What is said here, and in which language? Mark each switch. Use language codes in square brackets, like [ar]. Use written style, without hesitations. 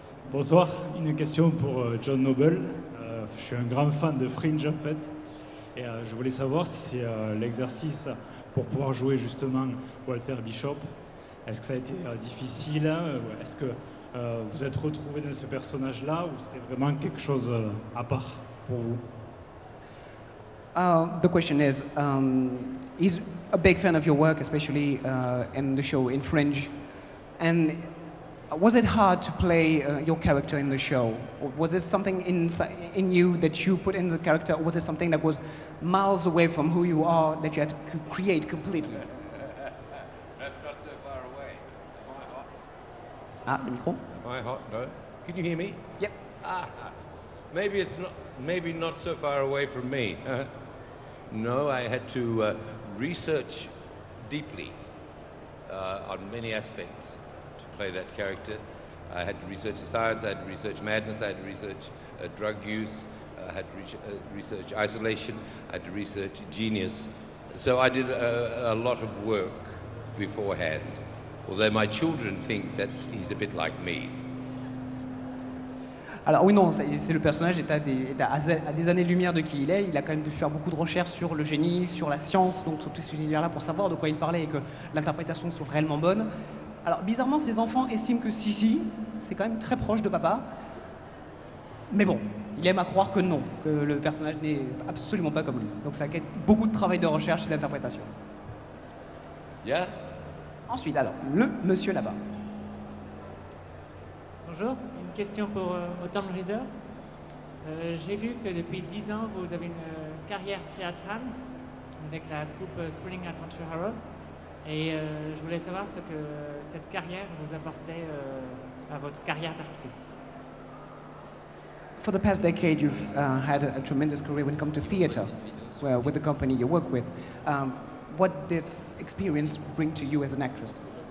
[fr] Bonsoir, une question pour John Noble, je suis un grand fan de Fringe en fait. Et je voulais savoir si c'est l'exercice pour pouvoir jouer justement Walter Bishop. Est-ce que ça a été difficile hein? Est-ce que vous êtes retrouvé dans ce personnage-là ou c'était vraiment quelque chose à part pour vous? [en] The question is, he's a big fan of your work, especially in the show in Fringe. And was it hard to play your character in the show? Was it something in you that you put in the character, or was it something that was miles away from who you are that you had to create completely? That's not so far away. Am I hot? [fr] Ah, le micro. [en] Am I hot? No. Can you hear me? Yep. Ah, maybe it's not. Maybe not so far away from me. No, I had to research deeply on many aspects. Play that character. I had to research the science, I had to research madness, I had to research drug use, I had to research isolation, I had to research genius. So I did a lot of work beforehand, although my children think that he's a bit like me. [fr] Alors oui, non, c'est le personnage est à des années-lumière de qui il est. Il a quand même dû faire beaucoup de recherches sur le génie, sur la science, donc sur tout cet univers-là pour savoir de quoi il parlait et que l'interprétation soit réellement bonne. Alors, bizarrement, ses enfants estiment que Sissi, c'est quand même très proche de papa. Mais bon, il aime à croire que non, que le personnage n'est absolument pas comme lui. Donc ça a été beaucoup de travail de recherche et d'interprétation. [en] Yeah. [fr] Ensuite, alors, le monsieur là-bas. Bonjour, une question pour Autumn Reeser. J'ai lu que depuis 10 ans, vous avez une carrière créative avec la troupe Swilling Adventure Heroes. Et je voulais savoir ce que cette carrière vous apportait à votre carrière d'actrice. [en] For the past decade, you've had a tremendous career when it comes to theater, well, with the company you work with. What did this experience bring to you as an actress?